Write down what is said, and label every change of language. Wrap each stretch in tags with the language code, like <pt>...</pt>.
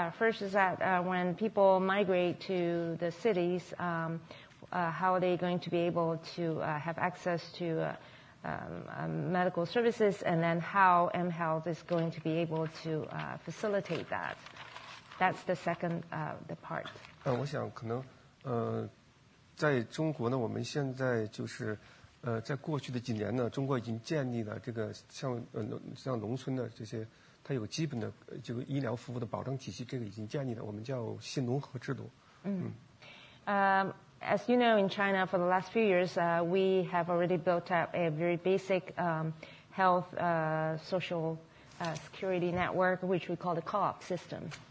<en>First is that when people migrate to the cities, how are they going to be able to have access to medical services, and then how mHealth is going to be able to facilitate that. That's the second the part.</en> <zh>我想可能在中国呢，我们现在就是在过去的几年呢，中国已经建立了这个像农村的这些。它有基本的这个医疗服务的保障体系，这个已经建立了，我们叫信农合制度。</zh> <en>As you know, in China, for the last few years, we have already built up a very basic health social security network, which we call the co-op system.</en>